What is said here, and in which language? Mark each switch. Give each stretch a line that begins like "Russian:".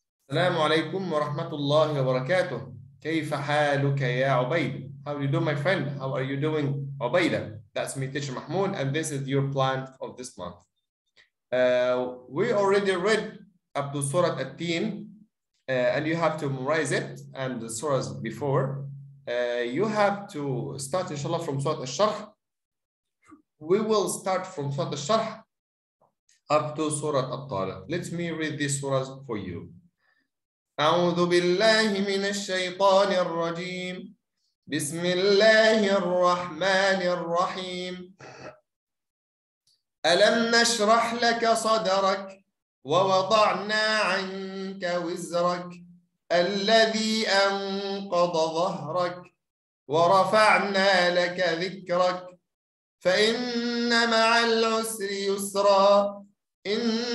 Arabic: السلام عليكم ورحمة الله وبركاته. كيف حالك يا عبيد؟
English: How are you doing, my friend? How are you doing, Obaida? That's me, teacher Mahmoud, and this is your plan of this month. We already read up to Surah At-Teen, and you have to memorize it, and the surahs before. You have to start, inshallah, from Surah Al-Sharh. We will start from Surah Al-Sharh up to Surah At-Talaq. Let me read these surahs for you.
Arabic: أعوذ بالله من الشيطان الرجيم بسم الله الرحمن الرحيم ألم نشرح لك صدرك ووضعنا عنك وزرك الذي أنقض ظهرك ورفعنا لك ذكرك فإن مع العسر يسرا إن